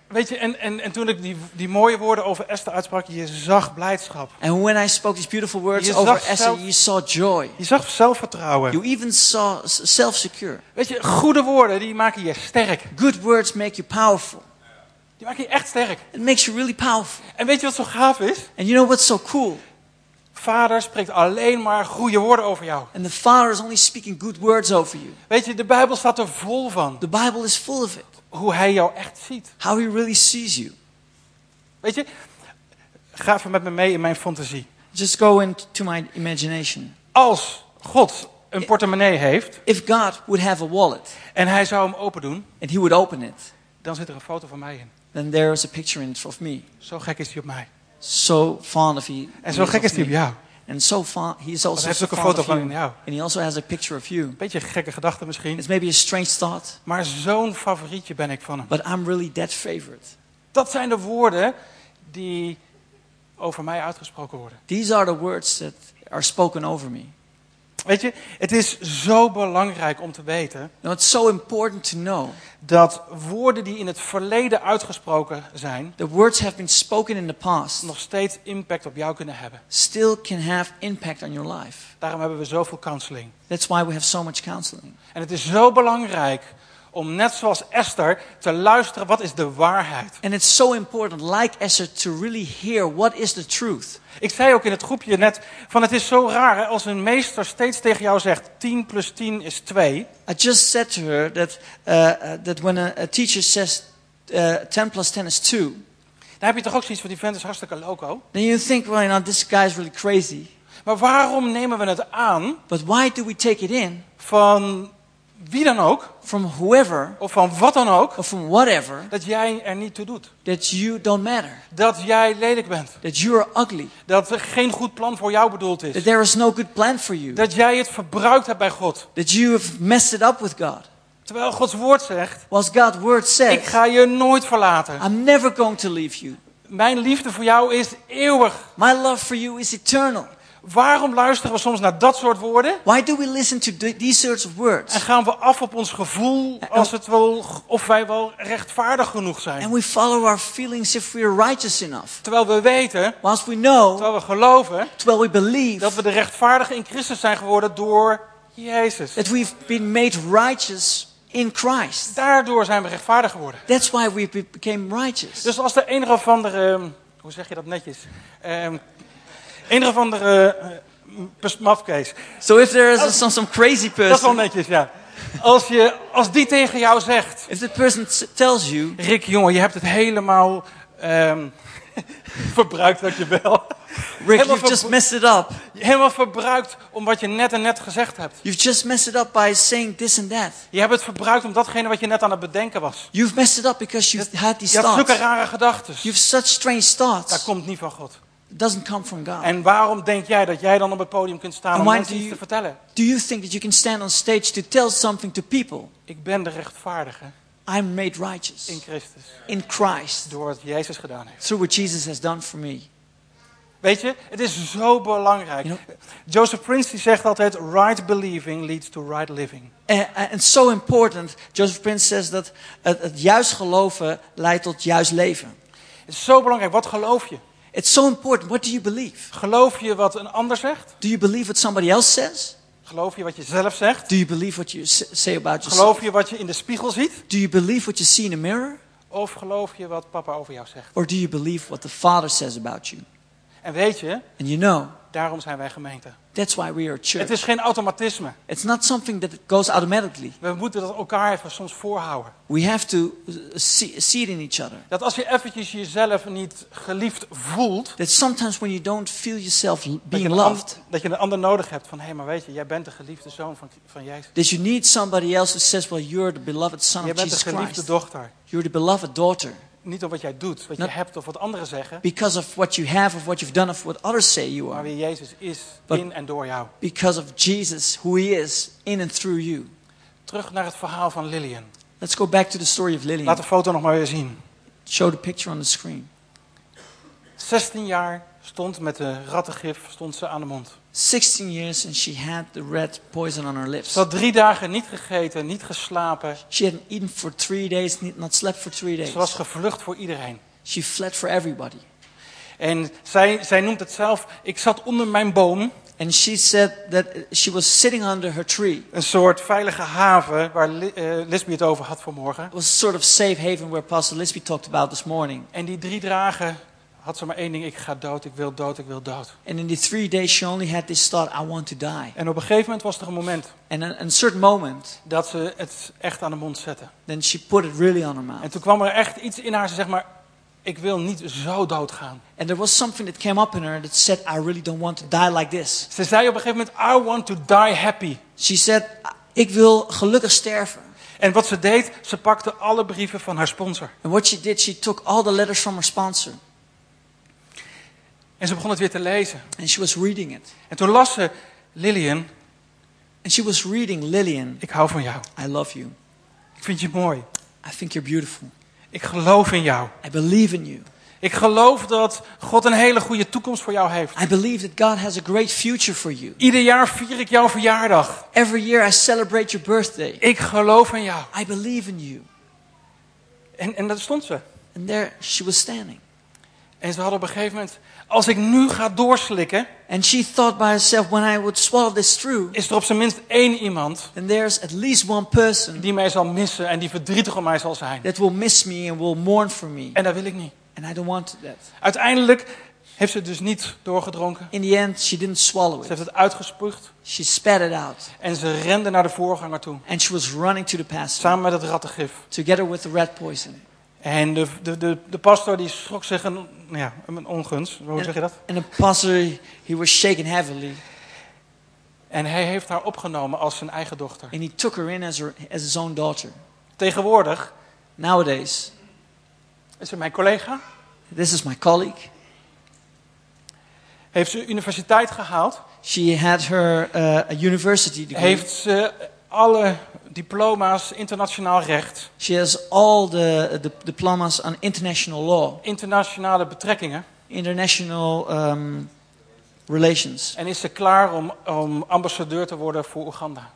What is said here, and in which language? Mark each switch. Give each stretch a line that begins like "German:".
Dutch: Weet je, en toen ik die mooie woorden over Esther uitsprak, je zag blijdschap.
English: And when I spoke these beautiful words over Esther, you saw joy.
Dutch: Je zag zelfvertrouwen.
English: You even saw self-secure.
Dutch: Weet je, goede woorden die maken je sterk.
English: Good words make you powerful.
Dutch: Die maken je echt sterk.
English: It makes you really powerful.
Dutch: En weet je wat zo gaaf is?
English: And you know what's so cool?
Dutch: Vader spreekt alleen maar goede woorden over jou.
English: And the Father is only speaking good words over you.
Dutch: Weet je, de Bijbel staat er vol van.
English: The Bible is full of it.
Dutch: Hoe hij jou echt ziet.
English: How he really sees you.
Dutch: Weet je, ga even met me mee in mijn fantasie.
English: Just go into my imagination.
Dutch: Als God een portemonnee heeft.
English: If God would have a wallet.
Dutch: En hij zou hem open doen.
English: And he would open it.
Dutch: Dan zit er een foto van mij in.
English: Then there is a picture in it of me.
Dutch: Zo gek is hij op mij.
English: So fond of he.
Dutch: En zo gek is hij op jou.
English: And so far, he is also
Dutch: heeft ook een foto van jou.
English: And he also has a picture of you.
Dutch: Beetje een gekke gedachte misschien.
English: It's maybe a strange thought.
Dutch: Maar zo'n favorietje ben ik van hem.
English: But I'm really that favorite.
Dutch: Dat zijn de woorden die over mij uitgesproken worden.
English: These are the words that are spoken over me.
Dutch: Weet je, het is zo belangrijk om te weten.
English: Now it's so important to know.
Dutch: Dat woorden die in het verleden uitgesproken zijn.
English: The words have been spoken in the past.
Dutch: Nog steeds impact op jou kunnen hebben.
English: Still can have impact on your life.
Dutch: Daarom hebben we zoveel counseling.
English: That's why we have so much counseling.
Dutch: En het is zo belangrijk om net zoals Esther te luisteren wat is de waarheid.
English: And it's so important, like Esther, to really hear what is the truth.
Dutch: Ik zei ook in het groepje net, van het is zo raar hè, als een meester steeds tegen jou zegt 10 plus 10 is 2.
English: I just said to her that that when a teacher says 10 plus 10 is 2.
Dutch: Dan heb je toch ook zoiets van die vent is hartstikke loco.
English: Then you think, well, you know, this guy is really crazy.
Dutch: Maar waarom nemen we het aan?
English: But why do we take it in?
Dutch: Van wie dan ook,
English: from whoever,
Dutch: of van wat dan ook,
English: of from whatever,
Dutch: dat jij er niet toe doet,
English: that you don't matter,
Dutch: dat jij lelijk bent,
English: that you are ugly,
Dutch: dat er geen goed plan voor jou bedoeld is,
English: that there is no good plan for you,
Dutch: dat jij het verbruikt hebt bij God,
English: that you have messed it up with God,
Dutch: terwijl Gods woord zegt,
English: was God's word says,
Dutch: ik ga je nooit verlaten,
English: I'm never going to leave you,
Dutch: mijn liefde voor jou is eeuwig,
English: my love for you is eternal.
Dutch: Waarom luisteren we soms naar dat soort woorden?
English: Why do we listen to these sorts of words?
Dutch: En gaan we af op ons gevoel als het wel of wij wel rechtvaardig genoeg zijn?
English: And we follow our feelings if we are righteous enough.
Dutch: Terwijl we weten,
English: whilst we know,
Dutch: terwijl we geloven, terwijl we
English: believe,
Dutch: dat we de rechtvaardigen in Christus zijn geworden door Jezus.
English: That we've been made righteous in Christ.
Dutch: Daardoor zijn we rechtvaardig geworden.
English: That's why we became righteous.
Dutch: Dus als de een of andere, hoe zeg je dat netjes? Een of andere mafkees.
English: So if there is some crazy person.
Dutch: Dat is wel netjes, ja. als die tegen jou zegt.
English: If the person tells you,
Dutch: Rick, jongen, je hebt het helemaal verbruikt wat je wel.
English: Rick,
Dutch: helemaal
English: you've just messed it up.
Dutch: Helemaal verbruikt om wat je net gezegd hebt.
English: You've just messed it up by saying this and that.
Dutch: Je hebt het verbruikt om datgene wat je net aan het bedenken was.
English: You've messed it up because you've had these thoughts.
Dutch: Je hebt zulke rare gedachten.
English: You've such strange thoughts.
Dutch: Dat komt niet van God.
English: It doesn't come from God.
Dutch: En waarom denk jij dat jij dan op het podium kunt staan om mensen iets te vertellen?
English: Do you think that you can stand on stage to tell something to people?
Dutch: Ik ben de rechtvaardige.
English: I'm made righteous.
Dutch: In Christus.
English: In Christ.
Dutch: Door wat Jezus gedaan heeft.
English: Through what Jesus has done for me.
Dutch: Weet je, het is zo belangrijk.
English: You know, Joseph Prince
Dutch: die zegt altijd,
English: right believing leads to right living. And so important, Joseph Prince says that
Dutch: het juist geloven leidt tot juist leven. Het is zo belangrijk, wat geloof je?
English: It's so important, what do you believe?
Dutch: Geloof je wat een ander zegt?
English: Do you believe what somebody else says?
Dutch: Geloof je wat je zelf zegt?
English: Do you believe what you say about yourself?
Dutch: Geloof je wat je in de spiegel ziet?
English: Do you believe what you see in the mirror?
Dutch: Of geloof je wat papa over jou zegt?
English: Or do you believe what the father says about you?
Dutch: En weet je?
English: And you know.
Dutch: Daarom zijn wij gemeente.
English: That's why we are church.
Dutch: Het is geen automatisme.
English: It's not something that goes automatically.
Dutch: We moeten dat elkaar even soms voorhouden.
English: We have to see it in each other.
Dutch: Dat als je eventjes jezelf niet geliefd voelt.
English: That sometimes when you don't feel yourself being loved.
Dutch: Dat je een ander nodig hebt van, hey, maar weet je, jij bent de geliefde zoon van Jezus.
English: That you need somebody else who says, well, you're the beloved son of Jesus Christ.
Dutch: Jij bent de geliefde dochter.
English: You're the beloved daughter.
Dutch: Niet op wat jij doet, wat je hebt of wat anderen zeggen.
English: Because of what you have, of what you've done, of what others say you are.
Dutch: Maar wie Jezus is in en door jou.
English: Because of Jesus, who he is in and through you.
Dutch: Terug naar het verhaal van Lillian.
English: Let's go back to the story of Lillian.
Dutch: Laat de foto nog maar weer zien.
English: Show the picture on the screen.
Dutch: 16 jaar stond met de rattengif stond ze aan de mond.
English: 16 years and she had the rat poison on her lips.
Dutch: Ze had 3 dagen niet gegeten, niet geslapen.
English: She hadn't eaten for 3 days, not slept for 3 days.
Dutch: Ze was gevlucht voor iedereen.
English: She fled for everybody.
Dutch: En zij noemt het zelf, ik zat onder mijn boom.
English: And she said that she was sitting under her tree.
Dutch: Een soort veilige haven waar Lisby het over had vanmorgen.
English: It was a sort of safe haven where Pastor Lisby talked about this morning.
Dutch: En die 3 dagen had ze maar 1 ding, ik ga dood, ik wil dood, ik wil dood.
English: And in the 3 days she only had this thought, I want to die.
Dutch: En op een gegeven moment was er een moment.
English: And a certain moment.
Dutch: Dat ze het echt aan de mond zette.
English: Then she put it really on her mouth.
Dutch: En toen kwam er echt iets in haar, ze zegt maar, ik wil niet zo dood gaan.
English: And there was something that came up in her that said, I really don't want to die like this.
Dutch: Ze zei op een gegeven moment,
English: I want to die happy. She said,
Dutch: ik wil gelukkig sterven. En wat ze deed, ze pakte alle brieven van haar sponsor.
English: And what she did, she took all the letters from her sponsor.
Dutch: En ze begon het weer te lezen.
English: And she was reading it.
Dutch: En toen las ze Lillian.
English: And she was reading Lillian.
Dutch: Ik hou van jou.
English: I love you.
Dutch: Ik vind je mooi.
English: I think you're beautiful.
Dutch: Ik geloof in jou.
English: I believe in you.
Dutch: Ik geloof dat God een hele goede toekomst voor jou heeft.
English: I believe that God has a great future for you.
Dutch: Ieder jaar vier ik jouw verjaardag.
English: Every year I celebrate your birthday.
Dutch: Ik geloof in jou.
English: I believe in you.
Dutch: En daar stond ze.
English: And there she was standing.
Dutch: En ze hadden op een gegeven moment, als ik nu ga doorslikken.
English: And she thought by herself, when I would swallow this through.
Dutch: Is er op zijn minst 1 iemand.
English: And there's at least one person.
Dutch: Die mij zal missen en die verdrietig om mij zal zijn.
English: That will miss me and will mourn for me.
Dutch: En dat wil ik niet.
English: And I don't want that.
Dutch: Uiteindelijk heeft ze het dus niet doorgedronken.
English: In the end, she didn't swallow it.
Dutch: Ze heeft het uitgespuugd.
English: She spat it out.
Dutch: En ze rende naar de voorganger toe.
English: And she was running to the pastor.
Dutch: Samen met het rattengif.
English: Together with the rat poison.
Dutch: En de pastor die schrok zich een ongunst. Hoe zeg je dat?
English: And the pastor, he was shaken heavily.
Dutch: En hij heeft haar opgenomen als zijn eigen dochter.
English: And he took her in as his own daughter.
Dutch: Tegenwoordig.
English: Nowadays.
Dutch: Is ze mijn collega?
English: This is my colleague.
Dutch: Heeft ze universiteit gehaald?
English: She had her a university degree.
Dutch: Heeft ze alle diploma's internationaal recht.
English: She has all the diplomas on international law.
Dutch: Internationale betrekkingen.
English: International relations.
Dutch: En is ze klaar om ambassadeur te worden voor Uganda.